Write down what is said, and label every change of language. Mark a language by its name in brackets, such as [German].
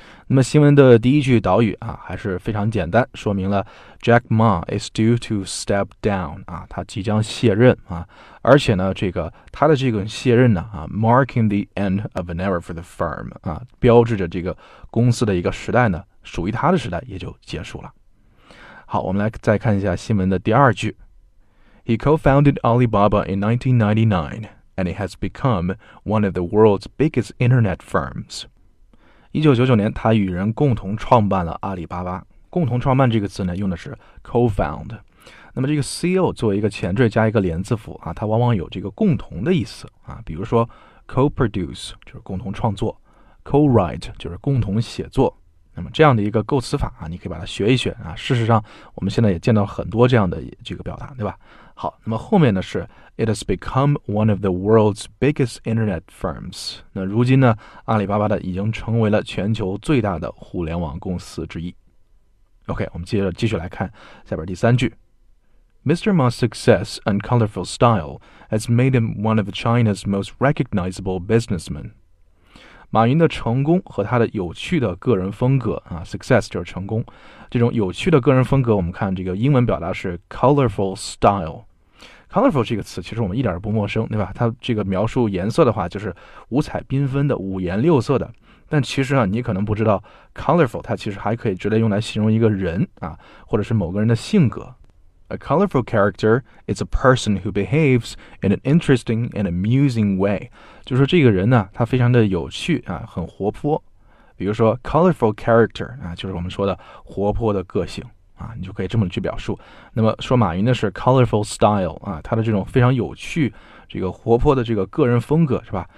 [Chinese] 那么新闻的第一句导语啊还是非常简单，说明了 [English] Jack Ma is due to step down [Chinese] 啊，他即将卸任啊，而且呢这个他的这个卸任呢啊 [English] marking the end of an era for the firm [Chinese] 啊，标志着这个公司的一个时代呢，属于他的时代也就结束了。好，我们来再看一下新闻的第二句。 [English] He co-founded Alibaba in 1999and it has become one of the world's biggest internet firms. [Chinese] 1999年他与人共同创办了阿里巴巴。共同创办这个词呢用的是 co-found。那么这个 CO 作为一个前缀加一个连字符啊，它往往有这个共同的意思啊，比如说 co-produce 就是共同创作， co-write 就是共同写作。那么这样的一个构词法啊，你可以把它学一学啊，事实上我们现在也见到很多这样的这个表达，对吧？好，那么后面呢是 [English] It has become one of the world's biggest internet firms. [Chinese] 那如今呢阿里巴巴的已经成为了全球最大的互联网公司之一。 OK, 我们接着继续来看下边第三句。 [English] Mr. Ma's success and colorful style has made him one of China's most recognizable businessmen. [Chinese] 马云的成功和他的有趣的个人风格啊 ,success 就是成功。这种有趣的个人风格我们看这个英文表达是 colorful style。 Colorful 这个词其实我们一点不陌生，对吧？它这个描述颜色的话就是五彩缤纷的、五颜六色的。但其实啊，你可能不知道 colorful 它其实还可以直接用来形容一个人啊，或者是某个人的性格。 [English] A colorful character is a person who behaves in an interesting and amusing way. [Chinese] 就是说这个人呢，他非常的有趣啊，很活泼。比如说 colorful character 啊，就是我们说的活泼的个性。啊，你就可以这么去表述。那么说马云的是 colorful style 啊，他的这种非常有趣、这个活泼的这个个人风格是吧？